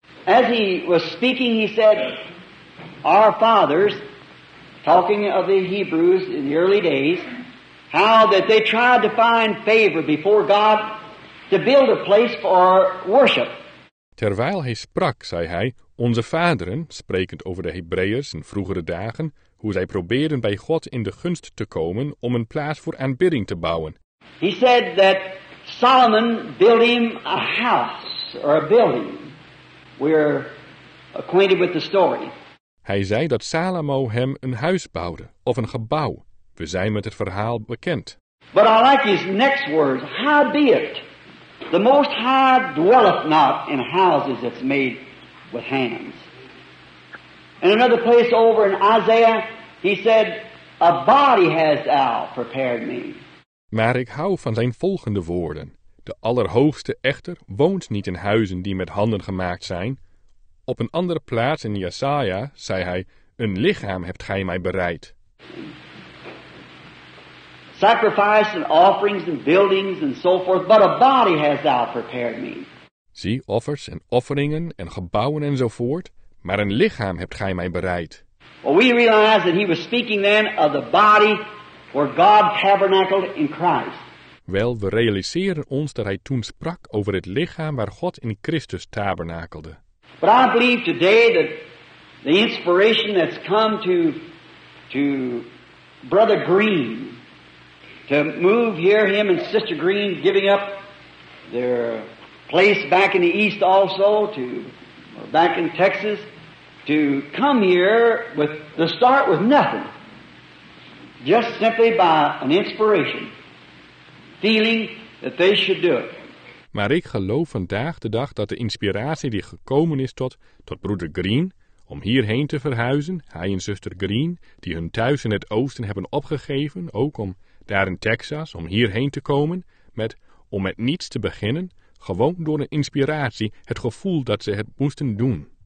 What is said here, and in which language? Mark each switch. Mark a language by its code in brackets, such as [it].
[en] As he was speaking, he said, our fathers, talking of the Hebrews in the early days, how that they tried to find favor before God to build a place for worship. [nl] Terwijl hij sprak, zei hij, onze vaderen, sprekend over de Hebreërs in vroegere dagen, hoe zij probeerden bij God in de gunst te komen om een plaats voor aanbidding te bouwen. [en] He said that Solomon built him a house or a building. We're acquainted with the story. [nl] Hij zei dat Salomo hem een huis bouwde, of een gebouw. We zijn met het verhaal bekend. [en] But I like his next words. How be it? The Most High dwelleth not in houses that's made with hands. In another place over in Isaiah, he said, a body has thou prepared me. [nl] Maar ik hou van zijn volgende woorden. De Allerhoogste echter woont niet in huizen die met handen gemaakt zijn. Op een andere plaats in Jesaja zei hij, een lichaam hebt gij mij bereid. [en] Sacrifice and offerings and buildings and so forth, but a body has thou prepared me. [nl] Zie, offers en offeringen en gebouwen enzovoort, maar een lichaam hebt gij mij bereid. [en] Well, we realize that he was speaking then of the body where God tabernacled in Christ. [nl] Wel, we realiseren ons dat hij toen sprak over het lichaam waar God in Christus tabernakelde. [en] But I believe today that the inspiration that's come to Brother Green, to move here, him and Sister Green giving up their place back in the East also, to or back in Texas, to come here with the start with nothing, just simply by an inspiration, feeling that they should do it. [nl] Maar ik geloof vandaag de dag dat de inspiratie die gekomen is tot broeder Green, om hierheen te verhuizen, hij en zuster Green, die hun thuis in het oosten hebben opgegeven, ook om daar in Texas, om hierheen te komen, om met niets te beginnen, gewoon door een inspiratie, het gevoel dat ze het moesten doen.